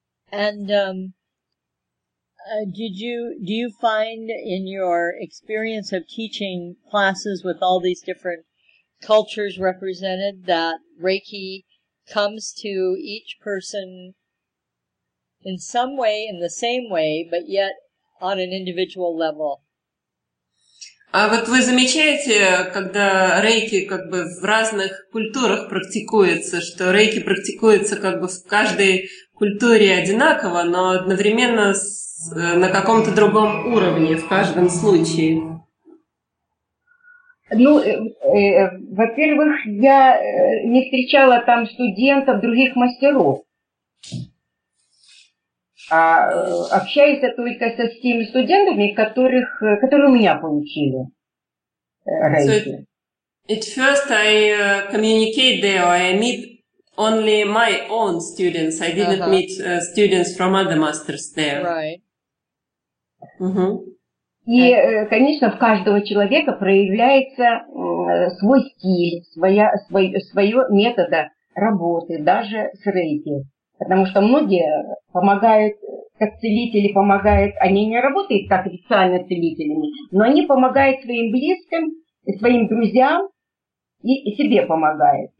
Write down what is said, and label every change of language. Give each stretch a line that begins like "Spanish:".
English: And do you find in your experience of teaching classes with all these different cultures represented that Reiki comes to each person in some way, in the same way, but yet on an individual level?
Russian: А вот вы замечаете, когда рейки как бы в разных культурах практикуется, что рейки практикуется как бы в каждой культуре одинаково, но одновременно на каком-то другом уровне в каждом случае? Ну, во-первых, я не встречала там студентов, других мастеров. А общаюсь я только со теми студентами, которые у меня получили рейки.
English: At first I communicate there, or I meet only my own students. I didn't meet students from other masters there. Right. Mm-hmm.
Russian: И, конечно, в каждого человека проявляется свой стиль, свое метода работы, даже с рейки. Потому что многие помогают, как целители помогают, они не работают как официально целителями, но они помогают своим близким, своим друзьям и себе помогают.